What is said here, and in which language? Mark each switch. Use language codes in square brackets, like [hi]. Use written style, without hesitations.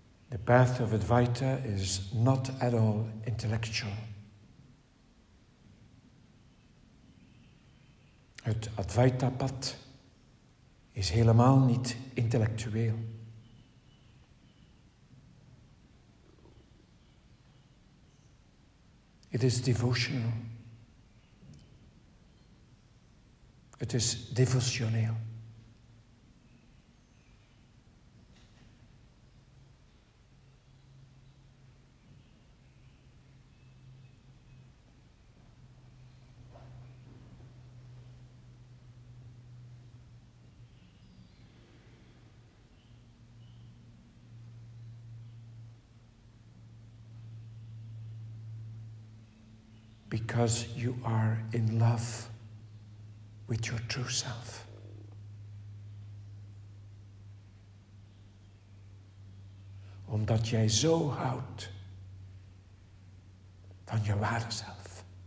[en] The path of Advaita is not at all intellectual. [nl] Het Advaita-pad is helemaal niet intellectueel. [en] It is devotional. [nl] Het is devotioneel. [en] Because you are in love with your true self. [nl] Omdat jij zo houdt van je ware zelf.